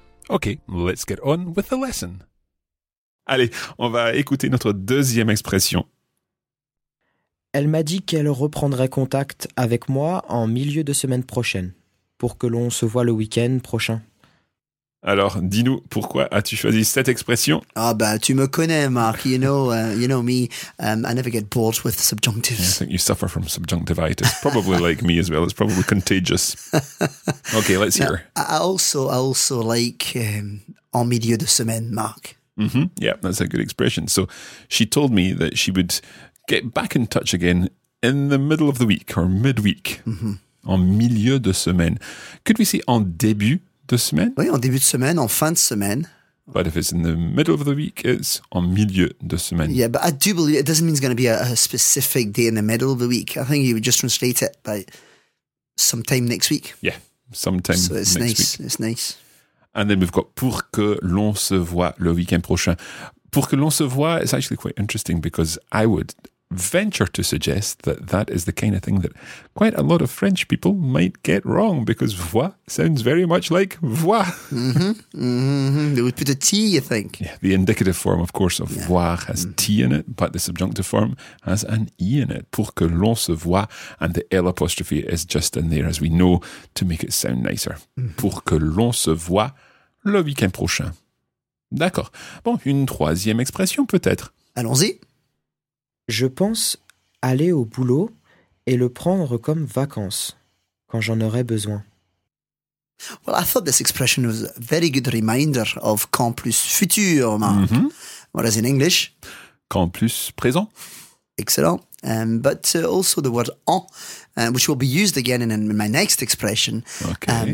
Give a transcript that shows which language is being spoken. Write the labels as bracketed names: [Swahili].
[English] Okay, let's get on with the lesson. [French] Allez, on va écouter notre deuxième expression. Elle m'a dit qu'elle reprendrait contact avec moi en milieu de semaine prochaine, pour que l'on se voit le week-end prochain. Alors, dis-nous, pourquoi as-tu choisi cette expression ? Ah bah, tu me connais, Marc. [English] You know me. I never get bored with subjunctives. Yeah, you suffer from subjunctivitis. Probably like me as well. It's probably contagious. Okay, let's hear. I also like [French] en milieu de semaine, [English] Marc. Mm-hmm. Yeah, that's a good expression. So she told me that she would get back in touch again in the middle of the week or midweek. [French] Mm-hmm. En milieu de semaine. [English] Could we say [French] en début de semaine? Oui, en début de semaine, en fin de semaine. [English] But if it's in the middle of the week, it's [French] en milieu de semaine. [English] Yeah, but I do believe it doesn't mean it's going to be a specific day in the middle of the week. I think you would just translate it by sometime next week. Yeah, sometime so next nice. Week. So it's nice, it's nice. And then we've got [French] pour que l'on se voit le week-end prochain. Pour que l'on se voit [English] is actually quite interesting because I would venture to suggest that that is the kind of thing that quite a lot of French people might get wrong because voix sounds very much like voix. Mm-hmm. Mm-hmm. They would put a T, you think. Yeah, the indicative form, of course, of voir has T in it, but the subjunctive form has an E in it. [French] Pour que l'on se voit, [English] and the L apostrophe is just in there, as we know, to make it sound nicer. Mm-hmm. [French] Pour que l'on se voit le week-end prochain. D'accord. Bon, une troisième expression peut-être. Allons-y. Je pense aller au boulot et le prendre comme vacances quand j'en aurai besoin. [English] Well, I thought this expression was a very good reminder of [French] quand plus futur, [English] Marc. Mm-hmm. What is in English? [French] Quand plus présent. [English] Excellent. But also the word en, which will be used again in my next expression. Okay.